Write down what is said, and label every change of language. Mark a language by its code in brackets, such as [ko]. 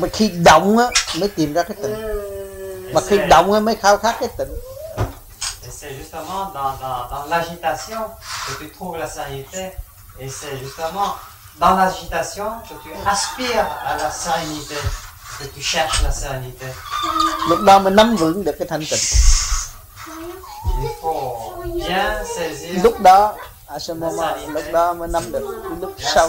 [vi] mà khi động á mới tìm ra cái tỉnh. Mà khi động á mới khao khát cái tỉnh. [fr] Et c'est justement dans l'agitation que tu trouves la sérénité. Et c'est justement dans l'agitation que tu aspires à la sérénité. Que tu cherches la sérénité. [vi] Lúc đó mới nắm vững được cái thanh tịnh. [fr] Il faut bien saisir. [vi] Lúc đó [fr] à ce moment-là, [vi] lúc đó mới nắm được lúc sau